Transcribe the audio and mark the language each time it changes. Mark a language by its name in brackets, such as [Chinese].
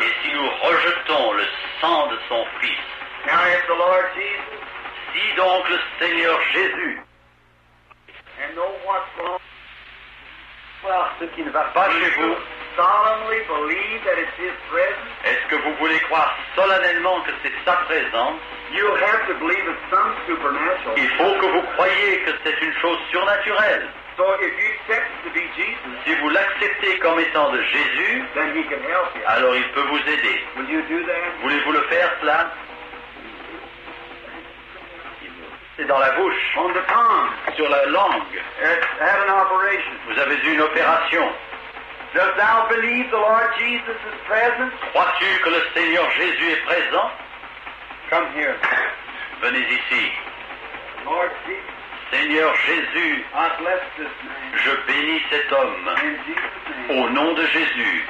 [French] et si nous rejetons le sang de son fils, [English] now if the Lord Jesus, [French] si donc le Seigneur Jésus [English] and know what's wrong, [French] well, ce qui ne va pas chez vous, [English] solemnly believe that it's his presence, [French] est-ce que vous voulez croire solennellement que c'est sa présence? [English] You have to believe it's some supernatural. [French] Il faut que vous croyez que c'est une chose surnaturelle. [English] So if you accept to be Jesus, [French] si vous l'acceptez comme étant de Jésus, [English] then he can help you. [French] Alors il peut vous aider. [English] Will you do that? [French] Voulez-vous le faire cela? C'est dans la bouche. [English] On the tongue. [French] Sur la langue. [English] Had an operation. [French] Vous avez eu une opération. [English] Dost thou believe the Lord Jesus is present? [French] Crois-tu que le Seigneur Jésus est présent? [English] Come here. [French] Venez ici. [English] Lord Jesus. [French] Seigneur Jésus, je bénis cet homme au nom de Jésus.